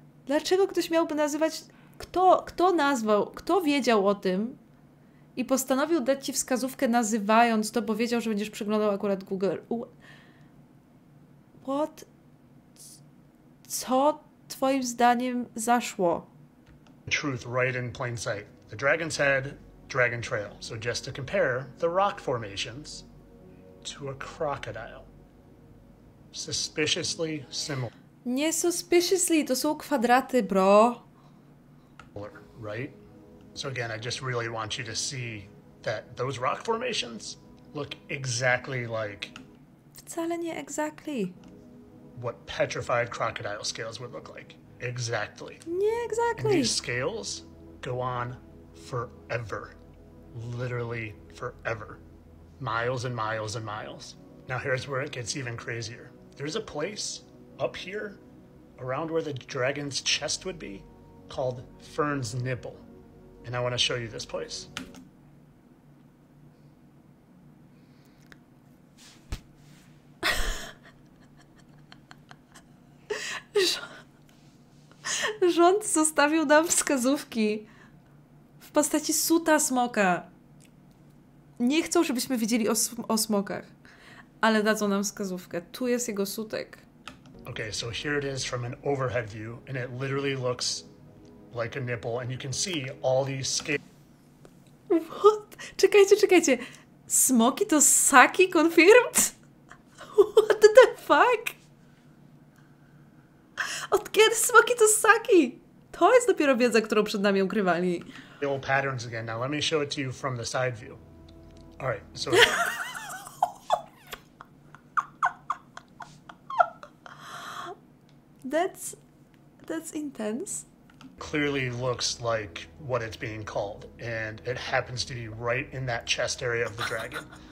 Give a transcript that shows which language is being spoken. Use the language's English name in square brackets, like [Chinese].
[Polish] Dlaczego ktoś miałby nazywać... Kto nazwał, kto wiedział o tym i postanowił dać ci wskazówkę nazywając to, bo wiedział, że będziesz przeglądał akurat Google. [English] What? [Polish] Co twoim zdaniem zaszło? [English] Truth right in plain sight. The dragon's head, dragon trail. So just to compare the rock formations to a crocodile. Suspiciously similar. [Polish] Nie suspiciously, to są kwadraty, bro. [English] Right? So again, I just really want you to see that those rock formations look exactly like... [Polish] Wcale nie exactly. [English] What petrified crocodile scales would look like. Exactly. [Polish] Nie exactly. [English] And these scales go on forever. Literally forever. Miles and miles and miles. Now here's where it gets even crazier. There's a place up here around where the dragon's chest would be called Fern's Nibble. And I want to show you this place. [Polish] Rząd, Rząd zostawił nam wskazówki w postaci suta smoka. Nie chcą, żebyśmy wiedzieli o smokach, ale dadzą nam wskazówkę. Tu jest jego sutek. [English] Okay, so here it is from an overhead view, and it literally looks like a nipple, and you can see all these scales. What? [Polish] Czekajcie, czekajcie. Smoki to ssaki confirmed? [English] What the fuck? [Polish] Od kiedy smoki to ssaki? To jest dopiero wiedza, którą przed nami ukrywali. [English] The old patterns again. Now let me show it to you from the side view. All right, so... That's intense. Clearly looks like what it's being called, and it happens to be right in that chest area of the dragon.